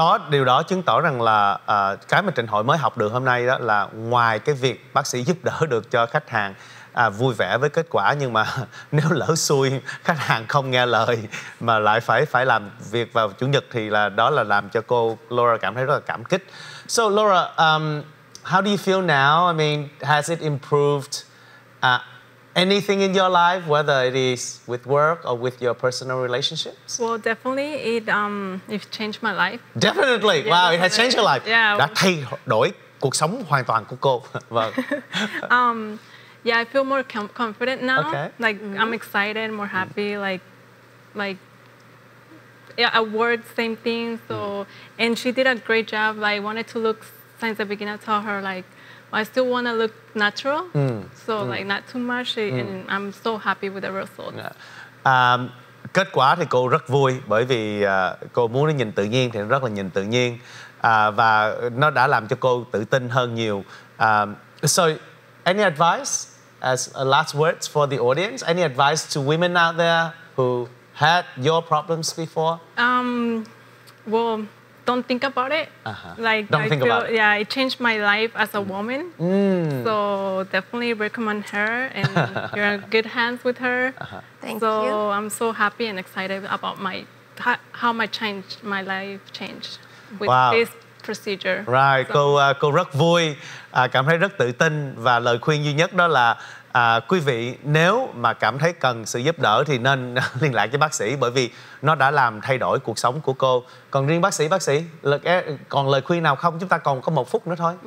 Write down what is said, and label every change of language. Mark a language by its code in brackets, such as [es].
[vi] Điều đó chứng tỏ rằng là cái mà Trịnh Hội mới học được hôm nay đó là ngoài cái việc bác sĩ giúp đỡ được cho khách hàng vui vẻ với kết quả, nhưng mà nếu lỡ xui khách hàng không nghe lời mà lại phải làm việc vào chủ nhật thì là đó là làm cho cô Laura cảm thấy rất là cảm kích. [en] So Laura, how do you feel now? I mean, has it improved anything in your life, whether it is with work or with your personal relationships? Well, definitely it changed my life. Definitely. Yeah, wow, definitely. It has changed your life. Yeah. [vi] Đã thay đổi cuộc sống hoàn toàn của cô. Vâng. [en] Yeah, I feel more confident now. Okay. Like I'm excited, more happy, like yeah, at work same thing. So and she did a great job. I wanted to look since the beginning, I told her like I still want to look natural. So like not too much and I'm so happy with the result. Yeah. [vi] Kết quả thì cô rất vui bởi vì cô muốn nó nhìn tự nhiên thì nó rất là nhìn tự nhiên. Và nó đã làm cho cô tự tin hơn nhiều. [en] So any advice as a last words for the audience? Any advice to women out there who had your problems before? Well, don't think about it. Like don't I think feel, about it. Yeah, it changed my life as a woman. So definitely recommend her and you're in good hands with her. Thank you. I'm so happy and excited about my how my change my life changed. This procedure. Right, so. [vi] Cô rất vui, cảm thấy rất tự tin và lời khuyên duy nhất đó là quý vị nếu mà cảm thấy cần sự giúp đỡ thì nên liên lạc với bác sĩ bởi vì nó đã làm thay đổi cuộc sống của cô. Còn riêng bác sĩ, còn lời khuyên nào không? Chúng ta còn có một phút nữa thôi.